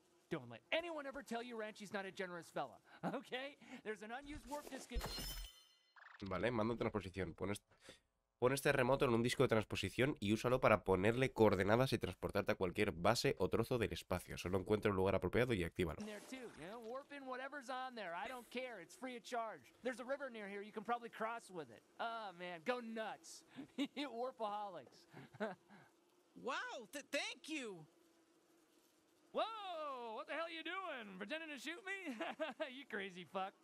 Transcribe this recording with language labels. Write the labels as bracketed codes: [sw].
[en] Don't let anyone ever tell you Ranchi's not a generous fella, okay? There's an unused warp disk. [es] Vale, mando transposición. Pon este remoto en un disco de transposición y úsalo para ponerle coordenadas y transportarte a cualquier base o trozo del espacio. Solo encuentra un lugar apropiado y actívalo. [en] There too, you know, warp in whatever's on there. I don't care. It's free of charge. There's a river near here. You can probably cross with it. Oh, man, go nuts. You warpaholics. Wow, thank you. Whoa! What the hell are you doing? Pretending to shoot me? You crazy fuck.